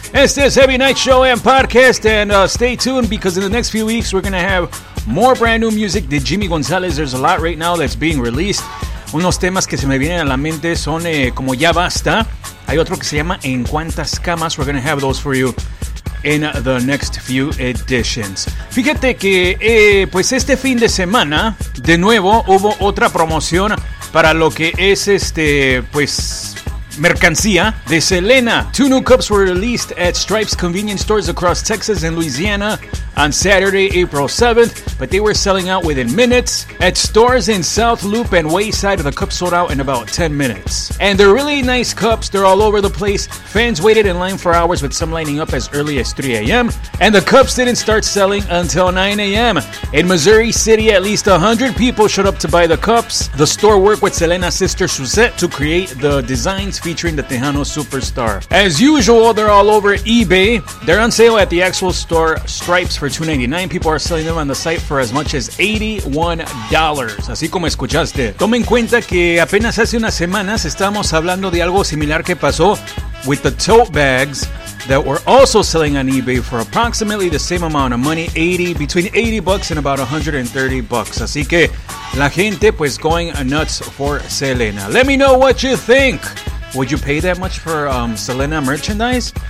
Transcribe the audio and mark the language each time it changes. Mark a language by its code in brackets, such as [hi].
[es] Este es [en] Heavy Night Show en Parkcast, and stay tuned because in the next few weeks we're going to have more brand new music de Jimmy González. There's a lot right now that's being released. [es] Unos temas que se me vienen a la mente son como Ya Basta. Hay otro que se llama En Cuántas Camas. [en] We're going to have those for you in the next few editions. [es] Fíjate que pues este fin de semana, de nuevo, hubo otra promoción para lo que es mercancía de Selena. [en] Two new cups were released at Stripes convenience stores across Texas and Louisiana on Saturday, April 7th, but they were selling out within minutes. At stores in South Loop and Wayside, the cups sold out in about 10 minutes. And they're really nice cups. They're all over the place. Fans waited in line for hours, with some lining up as early as 3 a.m. And the cups didn't start selling until 9 a.m. In Missouri City, at least 100 people showed up to buy the cups. The store worked with Selena's sister, Suzette, to create the designs featuring the Tejano superstar. As usual, they're all over eBay. They're on sale at the actual store, Stripes, for $2.99. People are selling them on the site for as much as $81. [es] Así como escuchaste. Tomen cuenta que apenas hace unas semanas estábamos hablando de algo similar que pasó [en] with the tote bags that were also selling on eBay for approximately the same amount of money, between 80 bucks and about 130 bucks. [es] Así que la gente pues [en] going nuts for Selena. Let me know what you think. Would you pay that much for Selena merchandise?